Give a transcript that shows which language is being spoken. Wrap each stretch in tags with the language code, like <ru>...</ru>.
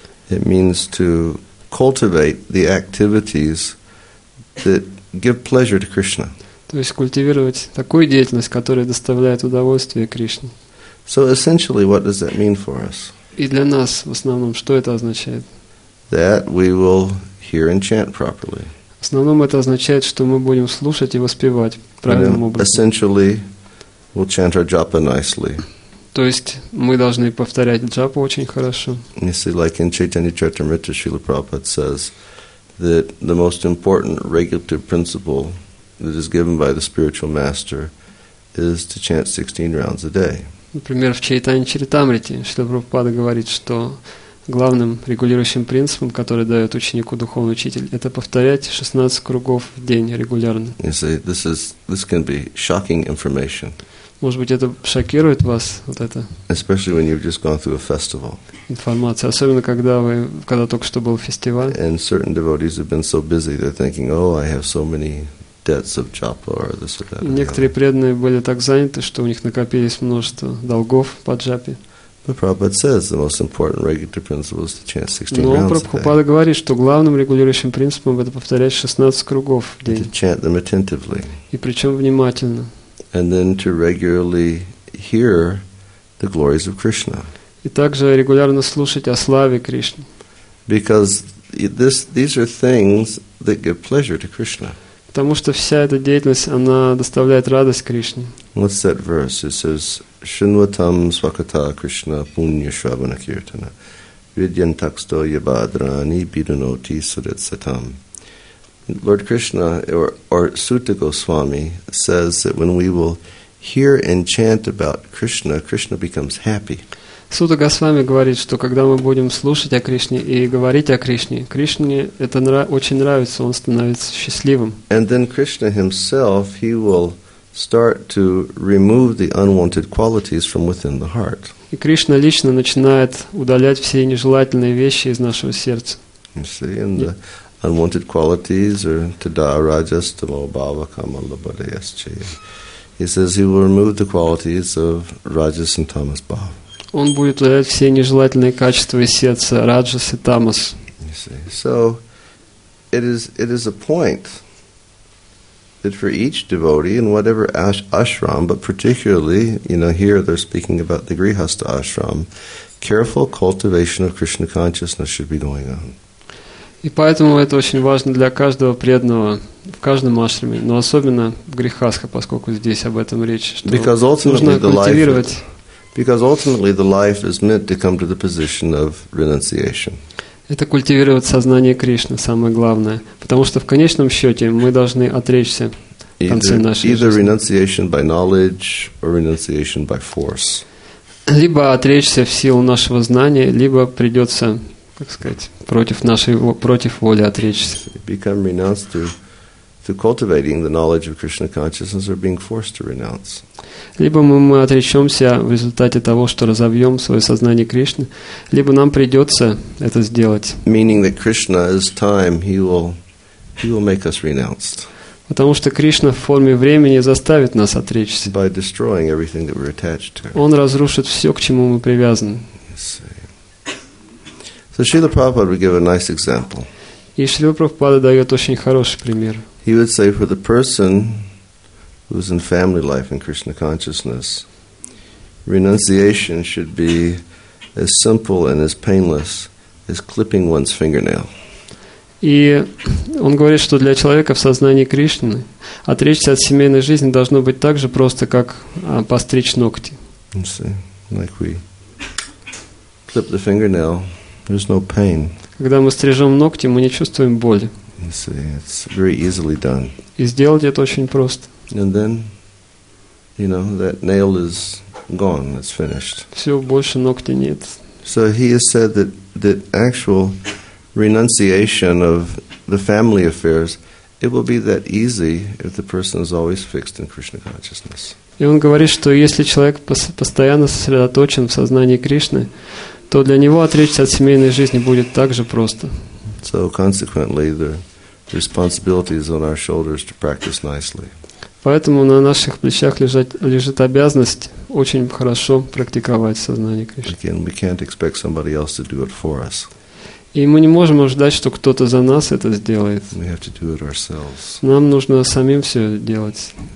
<en>It means to cultivate the activities that give pleasure to Krishna.</en> <ru>То есть культивировать такую деятельность, которая доставляет удовольствие Кришне.</ru> <en>So essentially, what does that mean for us?</en> <ru>И для нас в основном, что это означает?</ru> <en>That we will hear and chant properly.</en> <ru>В основном это означает, что мы будем слушать и воспевать правильным образом.</ru> <en>Essentially, we'll chant our japa nicely.</en> <ru>То есть мы должны повторять джапу очень хорошо.</ru> <en>You see, like in Chaitanya Charitamrita, Srila Prabhupada says that the most important regulative principle that is given by the spiritual master is to chant 16 rounds a day.</en> <ru>Например, в Чайтане Чаритамрите Шрила Прабхупада говорит, что главным регулирующим принципом, который дает ученику духовный учитель, это повторять 16 кругов в день регулярно.</ru> <en>You see, this can be shocking information.</en> <ru>Может быть, это шокирует вас, вот это?</ru> <en>Especially when you've just gone through a festival.</en> <ru>Информация, особенно когда только что был фестиваль.</ru> <en>And certain devotees have been so busy, they're thinking, oh, I have so many debts of japa or this or that.</en> <ru>Некоторые преданные были так заняты, что у них накопились множество долгов по джапе.</ru> <en>But Prabhupada says the most important regulative principle is to chant 16 rounds a day.</en> <ru>Но Прабхупада говорит, что главным регулирующим принципом это повторять 16 кругов в день.</ru> <en>And to chant them attentively.</en> <ru>И причем внимательно.</ru> <en>And then to regularly hear the glories of Krishna.</en> <ru>И также регулярно слушать о славе Кришны.</ru> <en>Because these are things that give pleasure to Krishna.</en> <ru>Потому что вся эта деятельность, она доставляет радость Кришне.</ru> <en>What's that verse? It says,</en> <sa>Shunvatam svakata krishna punya shravana kirtana vidyantaksto yabhadrani bidunoti sudat satam.</sa> <en>Lord Krishna, or Sutta Goswami, says that when we will hear and chant about Krishna, Krishna becomes happy.</en> <ru>Сута Госвами говорит, что когда мы будем слушать о Кришне и говорить о Кришне, Кришне это очень нравится, он становится счастливым.</ru> <en>And then Krishna himself, he will start to remove the unwanted qualities from within the heart.</en> <ru>И Кришна лично начинает удалять все нежелательные вещи из нашего сердца.</ru> <en>You see, and the unwanted qualities are</en> <sa>tada rajas tamo bhava kama labhate yascheya.</sa> <en>He says he will remove the qualities of rajas and tamas bhava.</en> <ru>Он будет удалять все нежелательные качества из сердца, раджас и тамас.</ru> <en>You see. So, it is a point that for each devotee in whatever ashram, but particularly, you know, here they're speaking about the grihastha ashram, careful cultivation of Krishna consciousness should be going on.</en> <ru>И поэтому это очень важно для каждого преданного в каждом ашраме, но особенно в грихастха, поскольку здесь об этом речь, что нужно культивировать.</ru> <en>Because ultimately the life is meant to come to the position of renunciation.</en> <ru>Это культивировать сознание Кришны, самое главное. Потому что в конечном счете мы должны отречься в конце нашей жизни.</ru> <en>Either renunciation by knowledge or renunciation by force.</en> <ru>Либо отречься в силу нашего знания, либо придется, как сказать, против воли отречься.</ru> <en>Become renounced through cultivating the knowledge of Krishna consciousness or being forced to renounce.</en> <ru>Либо мы отречемся в результате того, что разовьем свое сознание Кришны, либо нам придется это сделать.</ru> <en>Meaning that Krishna is time, he will make us renounced.</en> <ru>Потому что Кришна в форме времени заставит нас отречься.</ru> <en>By destroying everything that we're attached to.</en> <ru>Он разрушит все, к чему мы привязаны.</ru> <en>So Srila Prabhupada would give a nice example.</en> <ru>И Шрила Прабхупада дает очень хороший пример.</ru> <en>He would say for the person who's in family life and Krishna consciousness, renunciation should be as simple and as painless as clipping one's fingernail.</en> <ru>И он говорит, что для человека в сознании Кришны отречься от семейной жизни должно быть так же просто, как постричь ногти.</ru> <en>Like we clip the fingernail, there's no pain.</en> <ru>Когда мы стрижем ногти, мы не чувствуем боли.</ru> <en>It's very easily done.</en> <ru>И сделать это очень просто.</ru> <en>And then, you know, that nail is gone. It's finished.</en> <ru>Все, больше ногти нет.</ru> <en>So he has said that actual renunciation of the family affairs, it will be that easy if the person is always fixed in Krishna consciousness.</en> <ru>И он говорит, что если человек постоянно сосредоточен в сознании Кришны, то для него отречься от семейной жизни будет так же просто.</ru> <en>So consequently, the responsibility is on our shoulders to practice nicely.</en> <ru>Поэтому на наших плечах лежит обязанность очень хорошо практиковать сознание Кришны.</ru> <en>Again, we can't expect somebody else to do it for us.</en> <ru>И мы не можем ожидать, что кто-то за нас это сделает.</ru> <en>We have to do it ourselves.</en> <ru>Нам нужно самим все делать.</ru>